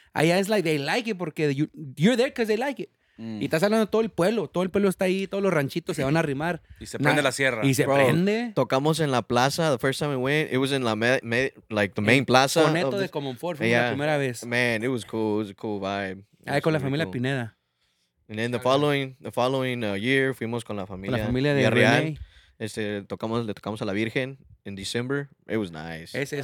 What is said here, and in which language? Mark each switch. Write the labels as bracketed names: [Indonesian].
[Spanish] Allá es [English] like, they like it [Spanish] porque [English] you're there because they like it. Mm. [Spanish] Y estás hablando de todo el pueblo está ahí, todos los ranchitos se van a rimar. Y se prende la sierra. Y se prende. Tocamos en la plaza, [English] the first time we went, it was in like the main plaza. [Spanish] Coneto de Comonfort, fue la primera vez. [English] Man, it was cool, it was a cool vibe. [Spanish] Ahí con la familia Pineda. [English] And then the following year, [Spanish] fuimos con la familia. La familia de René. Le tocamos a la Virgen en December. [English] It was nice.